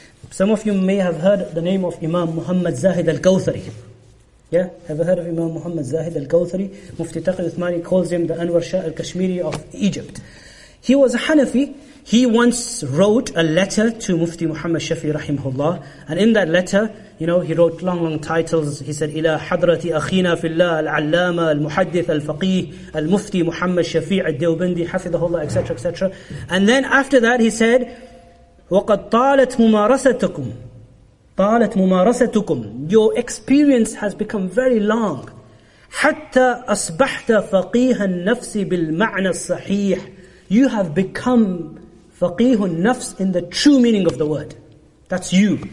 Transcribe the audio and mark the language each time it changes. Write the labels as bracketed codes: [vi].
[en] Some of you may have heard the name of Imam Muhammad Zahid al-Kawthari. Yeah? Have you heard of Imam Muhammad Zahid al-Kawthari? Mufti Taqi Uthmani calls him the Anwar Shah al-Kashmiri of Egypt. He was a Hanafi. He once wrote a letter to Mufti Muhammad Shafi rahimahullah. And in that letter, you know, he wrote long, long titles. He said, [ar] إِلَى حَضْرَةِ أَخِينَا فِي اللَّهِ الْعَلَّامَ الْمُحَدِّثَ الْفَقِيهِ الْمُفْتِي مُحَمَّد شَفِيعَ الدَّوْبَنْدِي حَفِظَهُ اللَّهِ, [en] etc., etc. And then after that, he said, [ar] وَقَدْ طَالَتْ مُمَارَسَتُكُمْ طَالَتْ مُمَارَسَتُكُمْ [en] Your experience has become very long. [ar] حَتَّى أَصْبَحْتَ فَقِيهَ النَّفْسِ بِالْمَعْنَى الصَّحِيحِ [en] You have become [ar] فَقِيهُ النَّفْسِ [en] in the true meaning of the word. That's you.